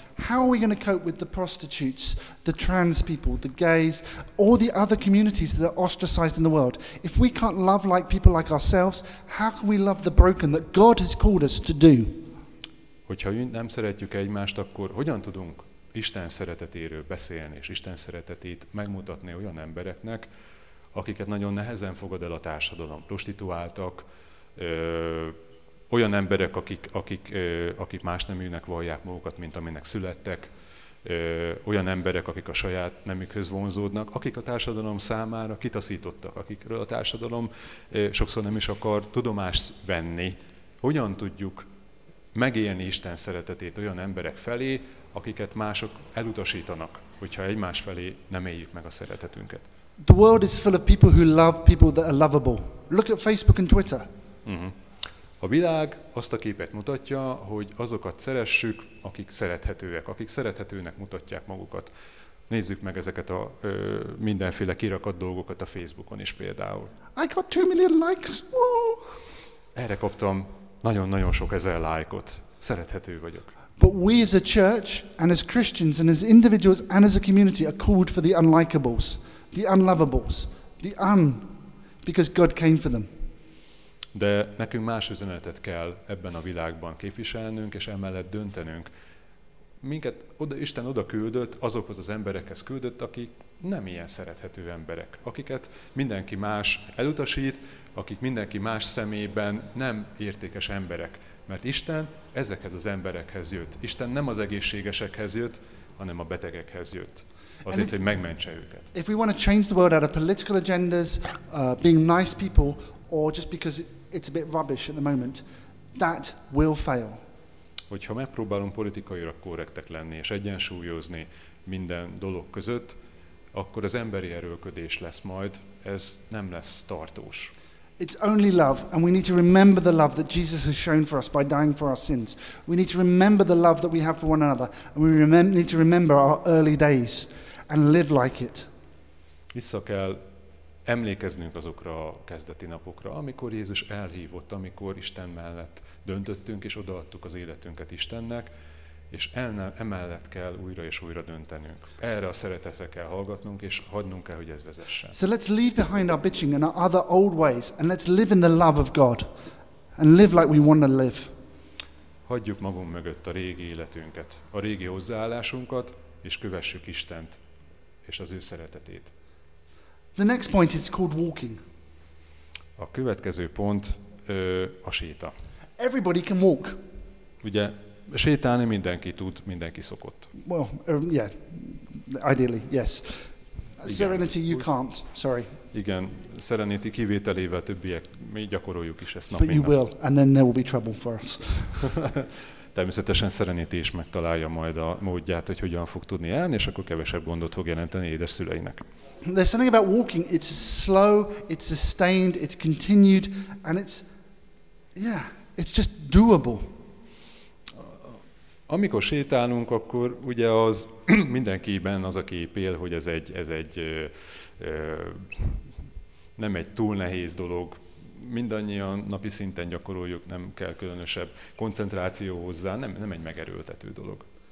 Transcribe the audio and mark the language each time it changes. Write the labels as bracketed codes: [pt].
[en] How are we going to cope with the prostitutes, the trans people, the gays, all the other communities that are ostracized in the world? If we can't love like people like ourselves, how can we love the broken that God has called us to do? [hu] Hogyha nem szeretjük egymást, akkor hogyan tudunk Isten szeretetéről beszélni, és Isten szeretetét megmutatni olyan embereknek, akiket nagyon nehezen fogad el a társadalom, prostituáltak, olyan emberek, akik más neműnek vallják magukat, mint aminek születtek, olyan emberek, akik a saját nemükhöz vonzódnak, akik a társadalom számára kitaszítottak, akikről a társadalom sokszor nem is akar tudomást venni. Hogyan tudjuk megélni Isten szeretetét olyan emberek felé, akiket mások elutasítanak, hogyha egymás felé nem éljük meg a szeretetünket? [en] The world is full of people who love people that are lovable. Look at Facebook and Twitter. [hu] A világ azt a képet mutatja, hogy azokat szeressük, akik szerethetőek, akik szerethetőnek mutatják magukat. Nézzük meg ezeket a mindenféle kirakat dolgokat a Facebookon is például. [en] I got 2 million likes. Woo! [hu] Erre kaptam nagyon-nagyon sok ezer lájkot. Szerethető vagyok. [en] But we as a church and as Christians and as individuals and as a community are called for the unlikables, the unlovables, the un, because God came for them. [hu] De nekünk más üzenetet kell ebben a világban képviselnünk, és emellett döntenünk. Minket Isten oda küldött, azokhoz az emberekhez küldött, akik nem ilyen szerethető emberek, akiket mindenki más elutasít, akik mindenki más szemében nem értékes emberek. Mert Isten ezekhez az emberekhez jött. Isten nem az egészségesekhez jött, hanem a betegekhez jött. Azért, hogy megmentse őket. [en] If we want to change the world out of political agendas, being nice people, or just because it's a bit rubbish at the moment, that will fail. [hu] Hogyha megpróbálunk politikailag korrektek lenni és egyensúlyozni minden dolog között, akkor az emberi erőlködés lesz majd, ez nem lesz tartós. [en] It's only love, and we need to remember the love that Jesus has shown for us by dying for our sins. We need to remember the love that we have for one another, and we need to remember our early days and live like it. [hu] Vissza kell emlékeznünk azokra a kezdeti napokra, amikor Jézus elhívott, amikor Isten mellett döntöttünk és odaadtuk az életünket Istennek, és emellett kell újra és újra döntenünk. Erre a szeretetre kell hallgatnunk, és hagynunk kell, hogy ez vezessen. [en] So let's leave behind our bitching and our other old ways, and let's live in the love of God, and live like we want to live. [hu] Hagyjuk magunk mögött a régi életünket, a régi hozzáállásunkat, és kövessük Istent és az ő szeretetét. [en] The next point is called walking. [hu] A következő pont a séta. [en] Everybody can walk. [hu] Ugye, sétálni mindenki tud, mindenki szokott. [en] Well, yeah, ideally, yes. [hu] Igen. [en] Serenity, you can't, sorry. [hu] Igen, Serenity kivételével többiek, mi gyakoroljuk is ezt nap. [en] But you will, and then there will be trouble for us. [hu] Természetesen Serenity is megtalálja majd a módját, hogy hogyan fog tudni elni, és akkor kevesebb gondot fog jelenteni édesszüleinek. [en] There's something about walking, it's slow, it's sustained, it's continued, and it's, yeah, it's just doable. [hu] Amikor sétálunk, akkor ugye az mindenkiben az a kép él, hogy ez egy nem egy túl nehéz dolog. Mindannyian napi szinten gyakoroljuk, nem kell különösebb koncentráció hozzá, nem egy megerőltető dolog.